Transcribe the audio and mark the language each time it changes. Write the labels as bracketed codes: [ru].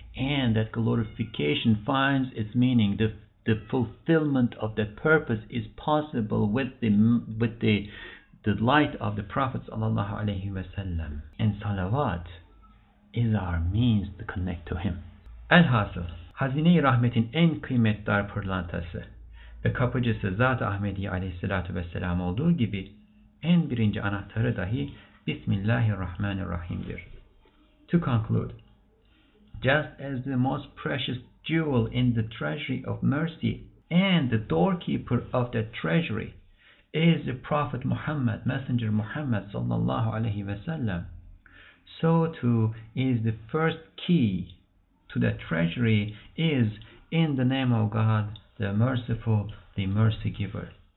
[en] And that glorification finds its meaning. The fulfillment of that purpose is possible with the light of the Prophet sallallahu alaihi wasallam. And salawat is our means to connect to Him. [tr] Elhasıl, Hazine-i Rahmet'in en kıymetdar pırlantası ve kapıcısı Zat-ı Ahmediye aleyhissalatu vesselam olduğu gibi en birinci anahtarı dahi Bismillahirrahmanirrahim'dir. [en] To conclude, just as the most precious jewel in the treasury of mercy and the doorkeeper of that treasury is the Prophet Muhammad, Messenger Muhammad sallallahu aleyhi ve sellem, so too is the first key to the treasury is in the name of God, the Merciful, the Mercy Giver.